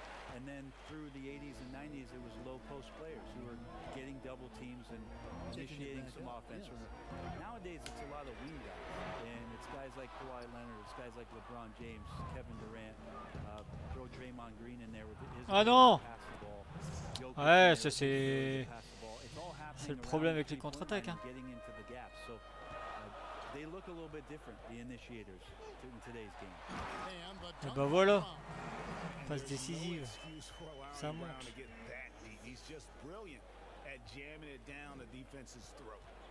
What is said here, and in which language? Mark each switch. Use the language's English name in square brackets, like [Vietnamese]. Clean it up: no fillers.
[English] And then through the 80s and 90s, it was low post players who were getting double teams and initiating some offense. Yes. Nowadays, it's a lot of wing guys. And it's guys like Kawhi Leonard, it's guys like LeBron James, Kevin Durant. Throw Draymond Green in there with his [French] ah non [English] pass the ball. [French] Ouais, ça c'est le problème avec les contre-attaques. Hein. [English] Into the gap. So, they look a little bit different, the initiators, in today's game. [French] Et ben voilà. Passe décisive. Ça monte. [English] He's just brilliant at jamming it down the defense's throat.